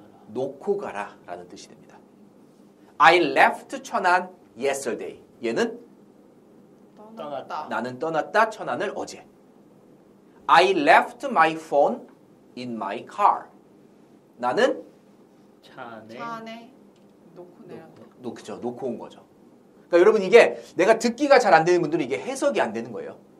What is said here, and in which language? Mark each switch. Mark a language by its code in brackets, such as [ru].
[ko] 놓고 가라 라는 뜻이 됩니다. [en] I left 천안 yesterday. [ko] 얘는? 떠났다. 나는 떠났다 천안을 어제. [en] I left my phone in my car. 나는? [ko] 차 안에 놓고 내렸다. 그렇죠. 놓고 온 거죠. 그러니까 여러분 이게 내가 듣기가 잘 안 되는 분들은 이게 해석이 안 되는 거예요.